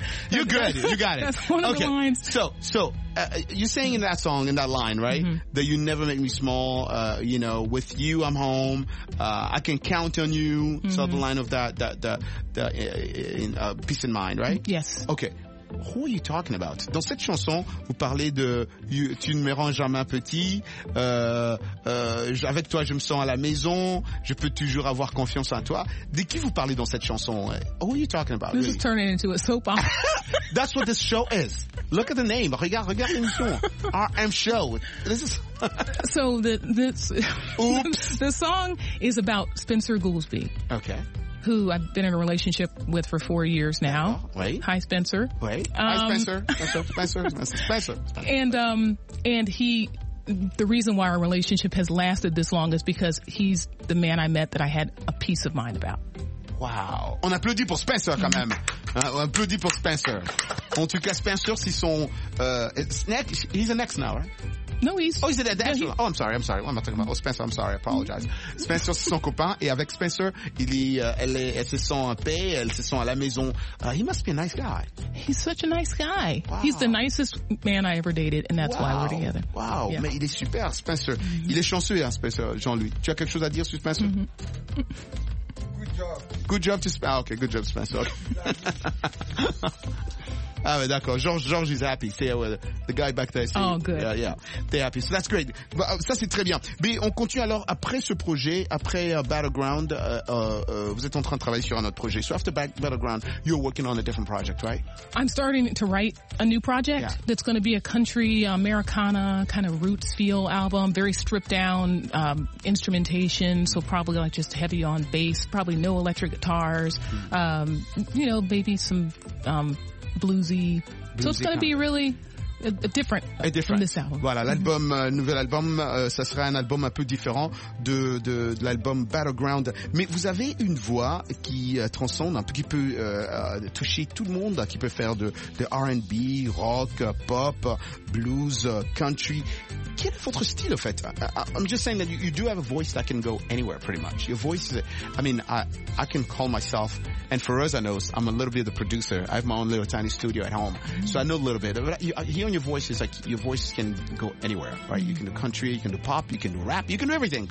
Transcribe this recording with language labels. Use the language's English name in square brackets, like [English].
[English] You're good. You got it. That's one of the lines. So you're saying in that song, in that line, right, that you never make me small, you know, with you I'm home, I can count on you. So the line of that, peace in mind, right? Yes. Okay. Who are you talking about? [French] Dans cette chanson, vous parlez de tu ne me rends jamais petit. Avec toi, je me sens à la maison. Je peux toujours avoir confiance en toi. De qui vous parlez dans cette chanson? [English] Who are you talking about? This is turning into a soap opera. That's what this show is. Look at the name. [French] Regarde l'émission. [English] RM Show. This is. So this. Oops. The song is about Spencer Goolsbee. Okay. Who I've been in a relationship with for 4 years now. Oh, wait. Hi, Spencer. Wait. Hi, Spencer. Spencer. And he, the reason why our relationship has lasted this long is because he's the man I met that I had a peace of mind about. [French] Wow. On applaudit pour Spencer quand même. On applaudit pour Spencer. En tout cas, Spencer, c'est son, [English] he's an ex now, right? No, he's... Oh, is it that? Oh, I'm sorry. What am I talking about? Oh, Spencer, I'm sorry. I apologize. [French] Spencer, c'est son copain. Et avec Spencer, elle se sent en paix. Elle se sent à la maison. [English] He must be a nice guy. He's such a nice guy. Wow. He's the nicest man I ever dated, and that's why we're together. [French] Wow. Yeah. Mais il est super, Spencer. Il est chanceux, hein, Spencer, Jean-Louis. Tu as quelque chose à dire sur Spencer? [English] Good job to Spencer. Okay, good job, Spencer. Okay. [French] Ah, mais d'accord. [English] George is happy. The guy back there. Oh, good. Yeah. They're happy. So that's great. [French] Ça, c'est très bien. Mais on continue alors après ce projet, après Battleground, vous êtes en train de travailler sur un autre projet. [English] So after Battleground, you're working on a different project, right? I'm starting to write a new project that's going to be a country Americana kind of roots feel album. Very stripped down instrumentation. So probably like just heavy on bass. Probably no electric guitars. You know, maybe some... Bluesy. So it's going to be really different from this album. [French] Voilà, l'album, nouvel album, ça sera un album un peu différent de l'album Battleground. Mais vous avez une voix qui transcende, un peu, qui peut toucher tout le monde, qui peut faire de R&B, rock, pop, blues, country. Quel est votre style, au fait? [English] I'm just saying that you do have a voice that can go anywhere, pretty much. Your voice, I can call myself, and for us, I know, I'm a little bit of the producer. I have my own little tiny studio at home. So I know a little bit. Hearing your voice is like, your voice can go anywhere, right? You can do country, you can do pop, you can do rap, you can do everything.